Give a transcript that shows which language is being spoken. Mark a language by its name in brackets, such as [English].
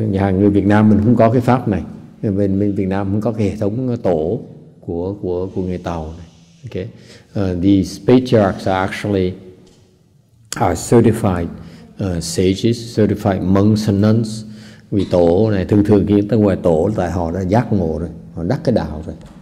[Vietnamese] Nhà hàng người Việt Nam mình không có cái pháp này. Bên Việt Nam không có cái hệ thống tổ của người Tàu này. Okay. [English] These patriarchs are certified sages, certified monks and nuns. [Vietnamese] Vì tổ này thường khi tới ngoài tổ là tại họ đã giác ngộ rồi, họ đắc cái đạo rồi.